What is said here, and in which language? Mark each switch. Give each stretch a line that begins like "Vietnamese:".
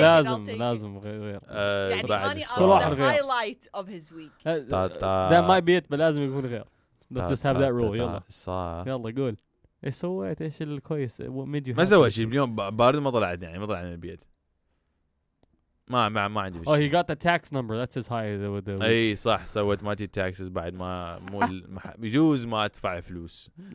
Arabic: لازم لازم غير يعني كل واحد غير
English: highlight of his week that might be it but
Arabic: لازم يكون غير
English: let's just have that rule
Arabic: يلا يلا قول إيش سويت إيش الكويس
English: what made you
Arabic: ما سويت شيء اليوم بارد ما طلعت يعني ما طلعت من البيت ما عندي
English: oh he got the tax number that's his high
Arabic: اي صح سويت ماتي تاكسز بعد ما مو بجوز ما ادفع فلوس